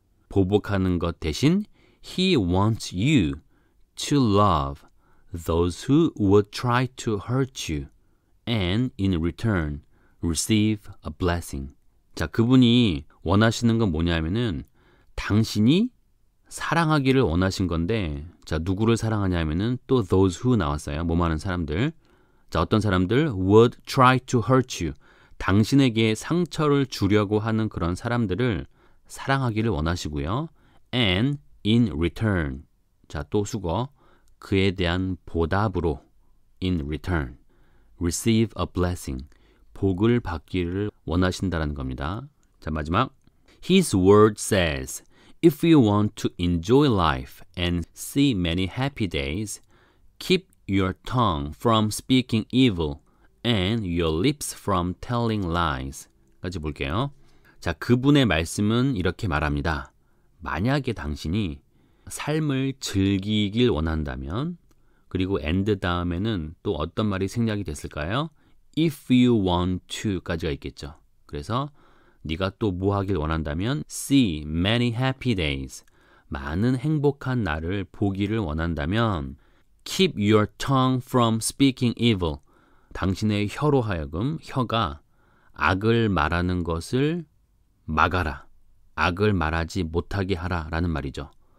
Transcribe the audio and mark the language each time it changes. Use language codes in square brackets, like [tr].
[ko] 보복하는 것 대신 [en] He wants you to love those who would try to hurt you and in return receive a blessing. [ko] 자, 그분이 원하시는 건 뭐냐면은 당신이 사랑하기를 원하신 건데 자, 누구를 사랑하냐면은 또 those who 나왔어요. 뭐 많은 사람들. 자, 어떤 사람들 [en] would try to hurt you. [ko] 당신에게 상처를 주려고 하는 그런 사람들을 사랑하기를 원하시고요. [en] And in return. [ko] 자, 또 수거. 그에 대한 보답으로 [en] in return receive a blessing. [ko] 복을 받기를 원하신다라는 겁니다. 자, 마지막. [en] His word says, if you want to enjoy life and see many happy days, keep your tongue from speaking evil and your lips from telling lies. [ko] 까지 볼게요. 자, 그분의 말씀은 이렇게 말합니다. 만약에 당신이 삶을 즐기길 원한다면, 그리고 end 다음에는 또 어떤 말이 생략이 됐을까요? [en] If you want to [ko] 까지가 있겠죠. 그래서 네가 또 뭐 하길 원한다면 [en] see many happy days, [ko] 많은 행복한 날을 보기를 원한다면 [en] keep your tongue from speaking evil, [ko] 당신의 혀로 하여금 혀가 악을 말하는 것을 막아라, 악을 말하지 못하게 하라 라는 말이죠.